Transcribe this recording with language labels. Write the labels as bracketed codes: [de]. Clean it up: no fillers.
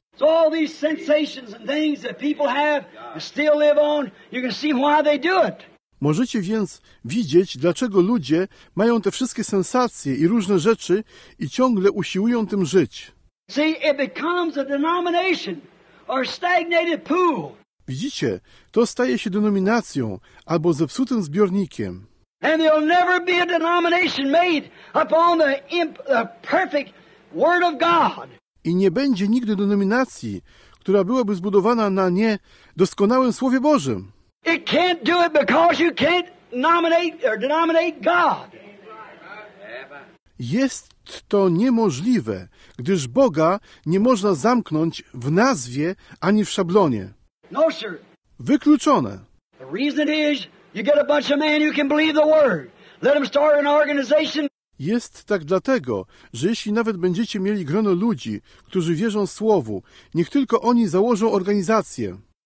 [en] So all these sensations and things that people have and still live on, you can see why they do it. [pl] Możecie więc widzieć, dlaczego ludzie mają te wszystkie sensacje i różne rzeczy i ciągle usiłują tym żyć. [en] See, it becomes a denomination or a stagnated pool. [pl] Widzicie, to staje się denominacją albo zepsutym zbiornikiem. [en] And there'll never be a denomination made upon the perfect word of God. [pl] I nie będzie nigdy denominacji, która byłaby zbudowana na niedoskonałym Słowie Bożym. [en] It can't do it because you can't nominate or denominate God. [pl] Jest to niemożliwe, gdyż Boga nie można zamknąć w nazwie ani w szablonie. [en] No, sir. [pl] Wykluczone. [en] The reason is you get a bunch of men who can believe the word. Let them start an organization. [pl] Jest tak dlatego, że jeśli nawet będziecie mieli grono ludzi, którzy wierzą Słowu, niech tylko oni założą organizację.